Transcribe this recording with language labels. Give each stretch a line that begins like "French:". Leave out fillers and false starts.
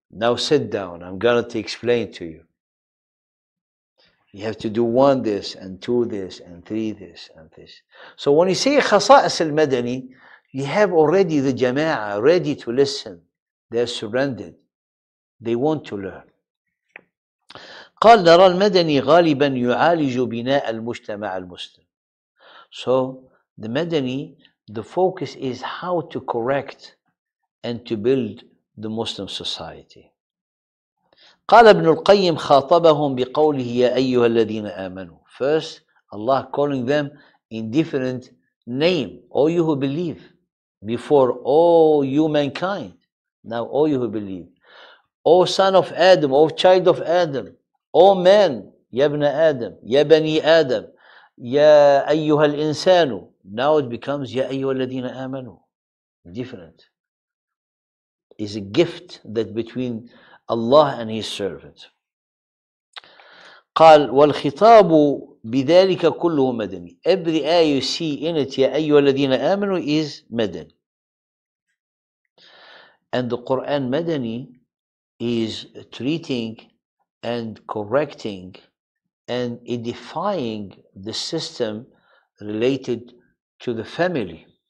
English: Now sit down, I'm going to explain to you. You have to do one this, and two this, and three this, and this. So when you say khasa'is al-madani, you have already the jama'ah ready to listen. They're surrendered. They want to learn.
Arabic: قال نرى المدني غالبا يعالج بناء المجتمع المسلم.
English: So the مدني, the focus is how to correct and to build the Muslim society.
Arabic: قال ابن القيم خاطبهم بقوله يا أيها الذين آمنوا.
English: First, Allah calling them in different name. All you who believe, before all you mankind. Now all you who believe, O son of Adam, O child of Adam. O man,
Arabic: يا ابن آدم, يا بني آدم, يا أيها الإنسان.
English: Now it becomes
Arabic: يا أيها الذين آمنوا.
English: Different. It's a gift that between Allah and His servant.
Arabic: قال والخطاب بذلك كله مدني.
English: Every ayah you see in it
Arabic: يا أيها الذين آمنوا
English: is مدني. And the Quran مدني is treating and correcting and edifying the system related to the family